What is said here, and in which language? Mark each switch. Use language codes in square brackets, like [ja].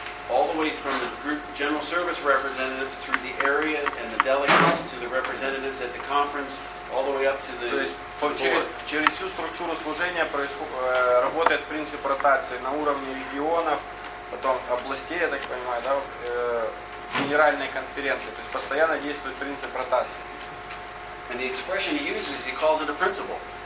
[en] All the way from the group general service representative through the area and the delegates to the representatives at the conference, all the way up to the board. [ru] То есть через всю структуру служения работает принцип ротации на уровне регионов, потом областей, я так понимаю, да, генеральной конференции. То есть постоянно действует принцип ротации. [en] And the expression he uses, he calls it a principle.